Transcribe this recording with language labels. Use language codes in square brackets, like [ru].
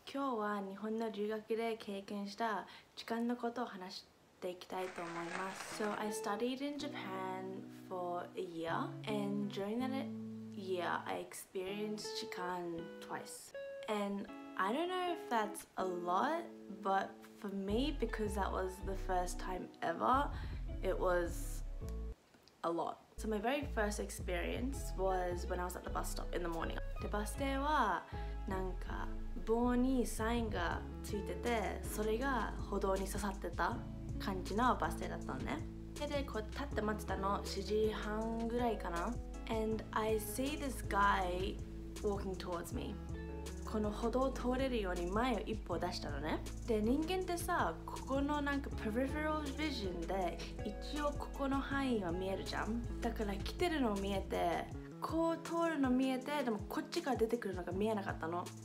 [ja] 今日は日本の留学で経験した痴漢のことを話していきたいと思います。 [en] So I studied in Japan for a year and during that year I experienced 痴漢 twice andI don't know if that's a lot, but for me, because that was the first time ever, it was a lot. So my very first experience was when I was at the bus stop in the morning. The bus there [ja] はなんか棒にサインがついてて、それが歩道に刺さってた感じのバス停だったのね。でこう立って待ってたの、7時半ぐらいかな。 [en] And I see this guy walking towards me. [ja] この歩道を通れるように前を一歩出したのね。で、人間ってさ、ここのなんか peripheral vision で一応ここの範囲は見えるじゃん。だから来てるの見えて、こう通るの見えて、でもこっちから出てくるのが見えなかったの。